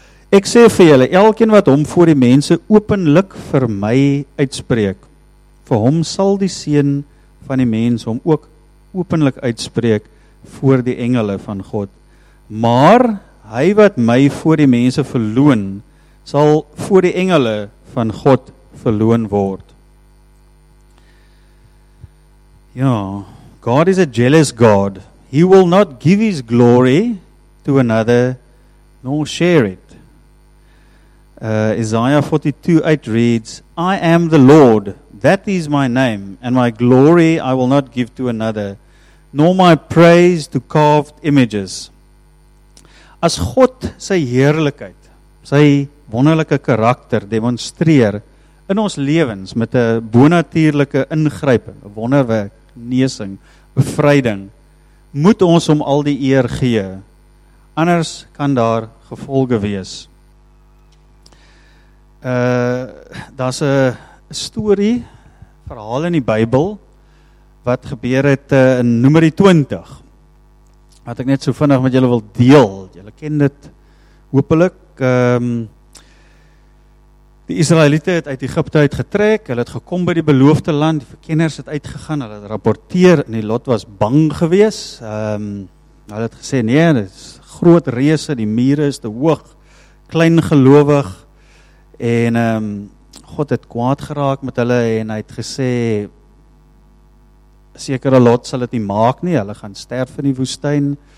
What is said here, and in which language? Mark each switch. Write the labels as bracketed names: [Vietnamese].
[Afrikaans] "Ek sê vir julle, elkeen wat hom voor die mense openlik vir my uitspreek, vir hom sal die seun van die mens hom ook openlik uitspreek voor die engele van God. Maar hy wat my voor die mense verloon, sal voor die engele van God verloon word." [English] Ja, God is a jealous God. He will not give his glory to another, nor share it. Isaiah 42:8 reads, "I am the Lord, that is my name, and my glory I will not give to another, nor my praise to carved images." [Afrikaans] As God sy heerlikheid, sy wonderlike karakter demonstreer in ons lewens met 'n bonatuurlike ingryping, 'n wonderwerk, genesing, bevryding, moet ons hom al die eer gee. Anders kan daar gevolge wees. Daar's 'n storie, verhaal in die Bybel wat gebeur het in Numeri 20. Wat ek net so vinnig met julle wil deel. Julle ken dit hopelik. Die Israeliete het uit Egipte uit getrek, hulle het gekom by die beloofde land, die verkenners het uitgegaan, hulle het rapporteer en die Lot was bang gewees. Hulle het gesê, nee, dit is groot reëse, die mure is te hoog, klein gelowig. En God het kwaad geraak met hulle en hy het gesê, sekere Lot sal dit nie maak nie, hulle gaan sterf in die woestyn.